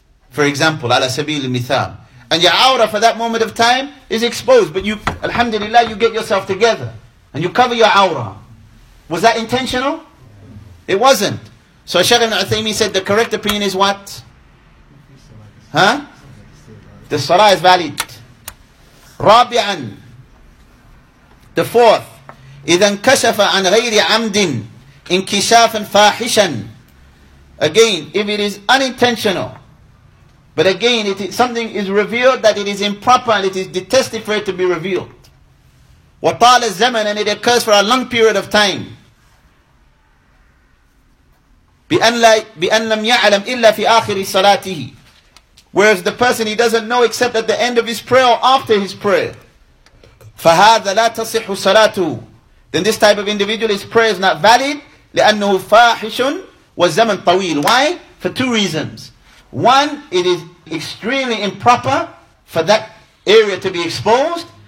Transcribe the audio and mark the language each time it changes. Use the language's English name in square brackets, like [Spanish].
[English] For example, [Arabic] ala sabil al-mithal. [English] And your awrah for that moment of time is exposed. But you, alhamdulillah, you get yourself together. And you cover your awrah. Was that intentional? It wasn't. So Shaykh ibn Uthaymeen said the correct opinion is what? Huh? The salah is valid. [Arabic] رابعاً, [English] the fourth, [Arabic] إذا انكشف عن غير عمد انكشافا فاحشا. [English] Again, if it is unintentional, but again, it is, something is revealed that it is improper and it is detested for it to be revealed. [Arabic] وطال الزمن, [English] and it occurs for a long period of time. [Arabic] بأن لم يعلم إلا في آخر صلاته. [English] Whereas the person, he doesn't know except at the end of his prayer or after his prayer. [Arabic] فهذا لا تصح صلاته. [English] Then this type of individual, his prayer is not valid. [Arabic] لأنه فاحش والزمن طويل. [English] Why? For two reasons. One, it is extremely improper for that area to be exposed.